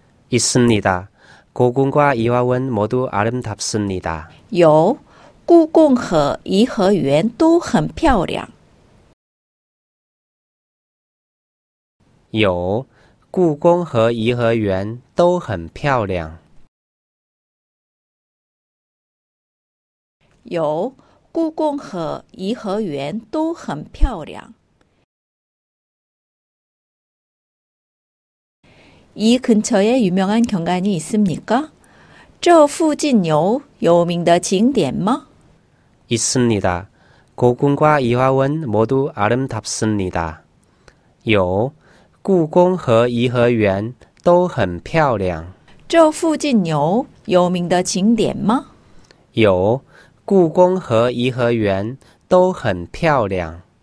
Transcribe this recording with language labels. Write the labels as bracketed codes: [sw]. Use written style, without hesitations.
[ko] 있습니다. 고궁과 이화원 모두 아름답습니다. [zh] 有 故宫和颐和园都很漂亮. 有, 故宫和颐和园都很漂亮. 有, 故宫和颐和园都很漂亮. [ko] 이 근처에 유명한 경관이 있습니까? [zh] 这附近有有名的景点吗? [ko] 있습니다. 고궁과 이화원 모두 아름답습니다. [zh] 有, 故宫和颐和园都很漂亮. 这附近有有名的景点吗? 有, 故宫和颐和园都很漂亮.